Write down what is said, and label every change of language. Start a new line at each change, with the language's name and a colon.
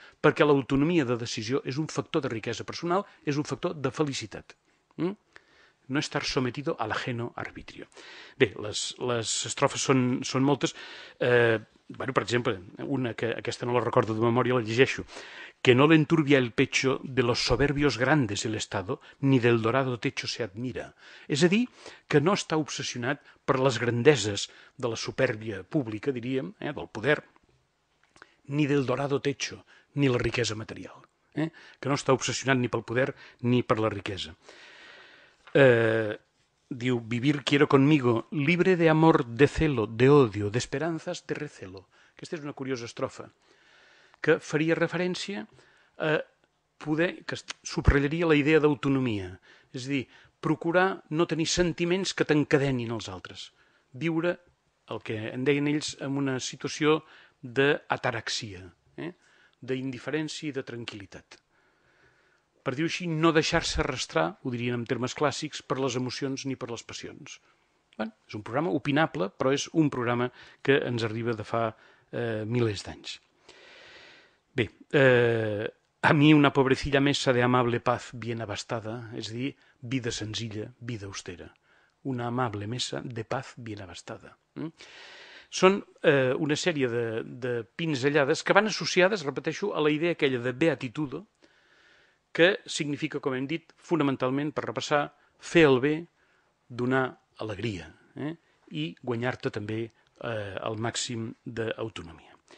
Catalan: Perquè l'autonomia de decisió és un factor de riquesa personal, és un factor de felicitat.
Spanish: no estar sometido al ajeno arbitrio.
Catalan: Bé, les estrofes són moltes. Bueno, per exemple, una que aquesta no la recordo de memòria, la llegeixo.
Spanish: Que no le enturbia el pecho de los soberbios grandes el Estado, ni del dorado techo se admira.
Catalan: És a dir, que no està obsessionat per les grandeses de la supèrbia pública, diríem, del poder,
Spanish: ni del dorado techo,
Catalan: ni la riquesa material. Que no està obsessionat ni pel poder ni per la riquesa.
Spanish: Diu, vivir quiero conmigo, libre de amor, de celo, de odio, de esperanzas, de recelo.
Catalan: Aquesta és una curiosa estrofa que faria referència a poder, que subratllaria la idea d'autonomia. És a dir, procurar no tenir sentiments que t'encadenin els altres. Viure, el que en deien ells, en una situació d'ataraxia, d'indiferència i de tranquil·litat. Per dir-ho així, no deixar-se arrastrar, ho dirien en termes clàssics, per les emocions ni per les passions. Bueno, és un programa opinable, però és un programa que ens arriba de fa milers d'anys.
Spanish: Bé, a mi una pobrecilla mesa de amable paz bien abastada,
Catalan: és a dir, vida senzilla, vida austera.
Spanish: Una amable mesa de paz bien abastada.
Catalan: Són una sèrie de pinzellades que van associades, repeteixo, a la idea aquella de beatitudo, que significa, com hem dit, fonamentalment, per repassar, fer el bé, donar alegria i guanyar-te també el màxim d'autonomia.